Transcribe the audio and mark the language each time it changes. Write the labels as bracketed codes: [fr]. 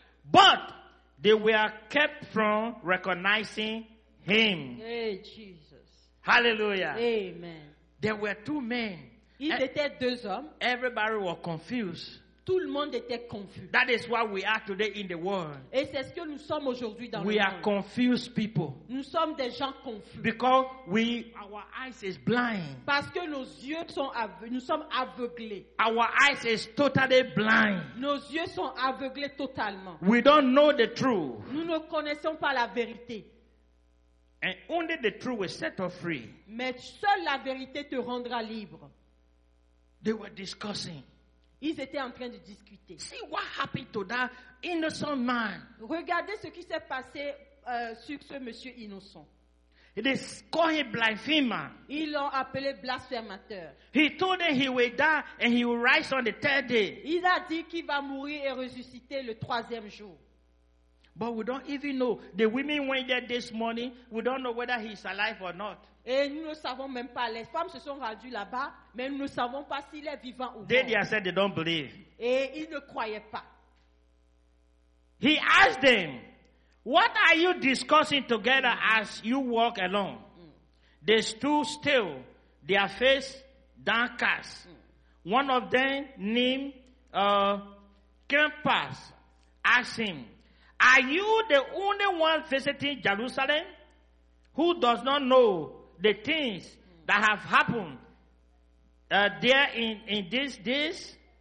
[en] But they were kept from recognizing him. Hey, Jesus. Hallelujah. Amen. There were two men. [fr] Ils étaient deux hommes. [en] Everybody was confused. [fr] Tout le monde était confus. [en] That is what we are today in the world. [fr] Et c'est ce que nous sommes aujourd'hui dans le monde. [en] We are confused people. [fr] Nous sommes des gens confus. [en] Because we our eyes is blind. [fr] Parce que nos yeux sont aveugles. Nous sommes aveuglés. [en] Our eyes is totally blind. [fr] Nos yeux sont aveuglés totalement. [en] We don't know the truth. [fr] Nous ne connaissons pas la vérité. [en] And only the truth will set us free. [fr] Mais seule la vérité te rendra libre. [en] They were discussing. [fr] Ils étaient en train de discuter. [en] See what happened to that innocent man. [fr] Regardez ce qui s'est passé sur ce monsieur innocent. [en] They call him blasphemer. [fr] Ils l'ont appelé blasphémateur. [en] He told them he will die and he will rise on the third day. [fr] Il a dit qu'il va mourir et ressusciter le troisième jour. [en] But we don't even know. The women went there this morning. We don't know whether he's alive or not. [fr] Et nous ne savons même pas. Les femmes se sont rendues là-bas, mais nous ne savons pas s'il est vivant ou mort. [en] They said they don't believe. [fr] Et ils ne croyaient pas. [en] He asked them, "What are you discussing together as you walk along?" They stood still, their face downcast. One of them, named Cleopas, asked him, "Are you the only one visiting Jerusalem who does not know the things that have happened there in these days?"